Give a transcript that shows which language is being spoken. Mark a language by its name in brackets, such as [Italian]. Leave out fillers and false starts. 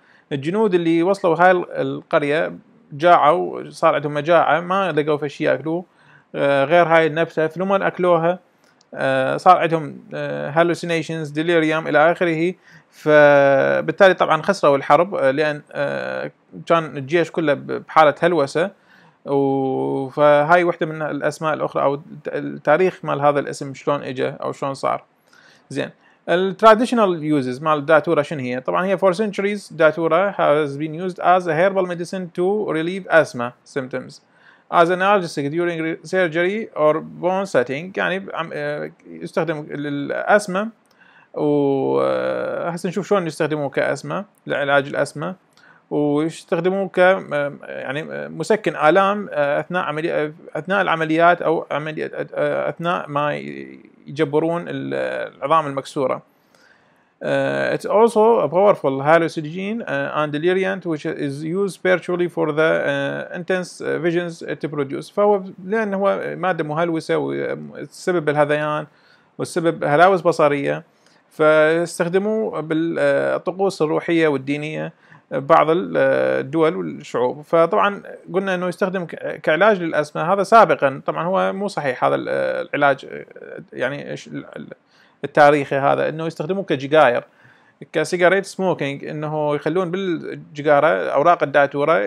[Arabic] فالجنود اللي وصلوا هاي القرية جاعوا، صار عندهم مجاعة، ما لقوا في شيء أكلوه غير هاي النبتة، فلما أكلوها صار عندهم هالوسينيشنز ديليريوم إلى آخره. فبالتالي طبعا خسروا الحرب لأن كان الجيش كله بحالة هلوسة. فهاي واحدة من الأسماء الأخرى أو التاريخ مال هذا الاسم شلون إجا أو شلون صار. زين الترديشنال يوزز مال الداتورة شن هي؟ طبعا هي [English] for centuries datura has been used as a herbal medicine to relieve asthma symptoms as an analgesic during surgery or bone setting. [Arabic] يعني يستخدم للأسمة، وهسه نشوف شلون يستخدموه كأسمة لعلاج الأسمة، ويستخدموه ك يعني مسكن آلام أثناء العمليات أو أثناء ما يجبرون العظام المكسورة. [English] It's also a powerful hallucinogen and delirium which is used spiritually for the intense visions it produces. [Arabic] فهو لأن هو مادة مهلوسة وسبب الهذيان والسبب هلاوس بصرية، فاستخدموه بالطقوس الروحية والدينية بعض الدول والشعوب. فطبعا قلنا انه يستخدم كعلاج للأسمة هذا سابقا، طبعا هو مو صحيح هذا العلاج يعني التاريخي هذا، انه يستخدمه كجيجاير كسيجاريت سموكينج، انه يخلون بالجيجارة اوراق الداتورة.